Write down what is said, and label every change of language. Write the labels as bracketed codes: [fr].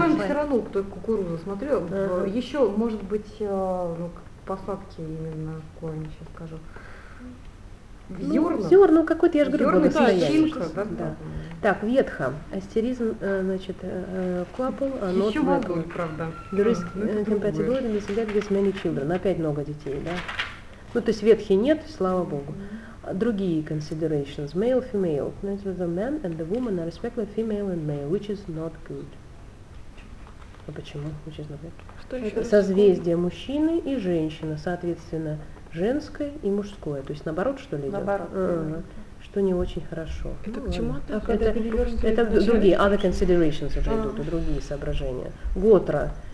[ru] Корм все равно, кто кукурузу смотрю. Еще, может быть, ну, посадки именно корм, сейчас скажу. Зёрна, ну какой-то, я же говорю, благосостояние. Зёрна, да, щинка, да. Так, ветха, астеризм, значит, клапл, а нот... Ещё много, правда. [en] There is compatibility, and that gives many children. [ru] Опять много детей, да? Ну, то есть ветхи нет, слава богу. [en] Другие considerations. Male, female. Neither the man and the woman are respectful of female and male, which is not good. [ru] А почему? [en] Which is not good. [ru] Что ещё? Созвездие мужчины и женщины, соответственно, женское и мужское, то есть наоборот, что ли, идет? Наоборот. Что не очень хорошо. Это к чему это? Это другие, [en] other considerations [ru] уже идут, другие соображения. Готра.